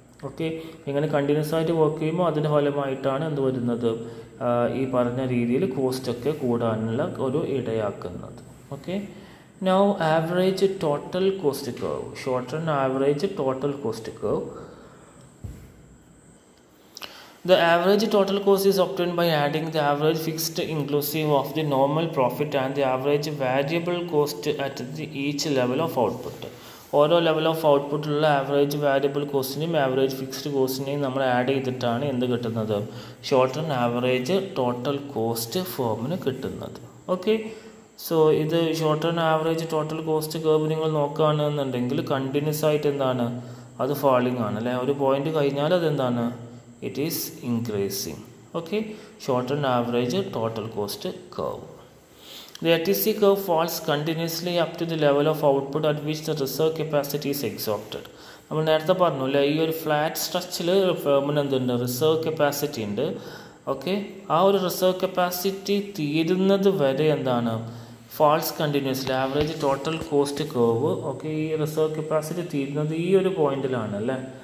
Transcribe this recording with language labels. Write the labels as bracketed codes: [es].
[ml] Okay, ഇങ്ങനെ continuous ആയിട്ട് work ചെയ്യുമ്പോൾ അതിൻ്റെ ഫലമായിട്ടാണ് എന്ത് വരുന്നത്, ഈ പറഞ്ഞ രീതിയിൽ കോസ്റ്റൊക്കെ കൂടാനുള്ള ഒരു ഇടയാക്കുന്നത്. [en] Okay, now average total cost curve, short run average total cost curve. The average total cost is obtained by adding the average fixed inclusive of the normal profit and the average variable cost at each level of output. [ml] ഓരോ level of ഔട്ട്പുട്ടിലുള്ള average valuable കോസ്റ്റിനെയും average fixed കോസ്റ്റിനെയും നമ്മൾ add ചെയ്തിട്ടാണ് എന്ത് കിട്ടുന്നത്, short run average total cost ഫേമിന് കിട്ടുന്നത്. Okay, so ഇത് short run average total cost curve നിങ്ങൾ നോക്കുകയാണെന്നുണ്ടെങ്കിൽ continuous ആയിട്ട് എന്താണ് അത് ഫാളിംഗ് ആണ് അല്ലേ. ഒരു പോയിന്റ് കഴിഞ്ഞാൽ അതെന്താണ്, [en] It is increasing. Okay, short run average total cost curve. The ATC curve falls continuously up to the level of output at which the reserve capacity is exhausted. [ml] നമ്മൾ നേരത്തെ പറഞ്ഞല്ലോ ഈ ഒരു ഫ്ലാറ്റ് സ്ട്രെച്ചിൽ ഫേമിന് എന്തുണ്ട്, റിസർവ് കപ്പാസിറ്റി ഉണ്ട്. Okay, ആ ഒരു reserve capacity തീരുന്നത് വരെ എന്താണ് [en] falls continuously [ml] average total cost curve. Okay, ഈ റിസർവ് കപ്പാസിറ്റി തീരുന്നത് ഈ ഒരു പോയിന്റിലാണ് അല്ലേ.